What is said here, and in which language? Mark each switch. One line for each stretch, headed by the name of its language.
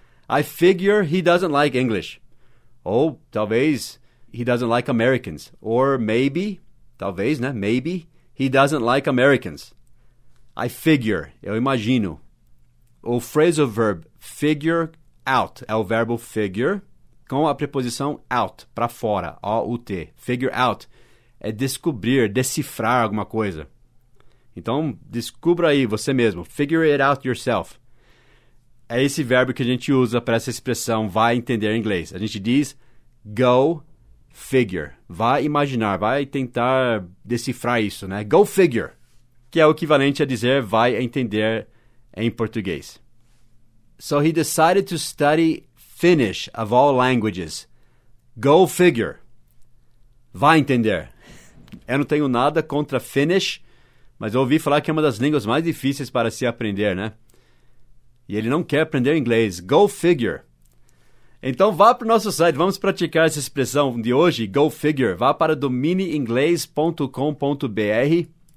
English: I figure he doesn't like English.
Portuguese: Ou talvez
English: he doesn't like Americans. Or maybe,
Portuguese: talvez, né?
English: Maybe he doesn't like Americans. I figure,
Portuguese: eu imagino. O phrasal verb figure out é o verbo figure com a preposição out, para fora, O-U-T. Figure out é descobrir, decifrar alguma coisa. Então, descubra aí você mesmo.
English: Figure it out yourself.
Portuguese: É esse verbo que a gente usa para essa expressão vai entender em inglês. A gente diz
English: go figure.
Portuguese: Vai imaginar, vai tentar decifrar isso, né?
English: Go figure,
Portuguese: que é o equivalente a dizer vai entender em português.
English: So he decided to study Finnish of all languages. Go figure.
Portuguese: Vai entender. Eu não tenho nada contra Finnish. Mas eu ouvi falar que é uma das línguas mais difíceis para se aprender, né? E ele não quer aprender inglês.
English: Go figure.
Portuguese: Então vá para o nosso site. Vamos praticar essa expressão de hoje.
English: Go figure.
Portuguese: Vá para dominiinglês.com.br.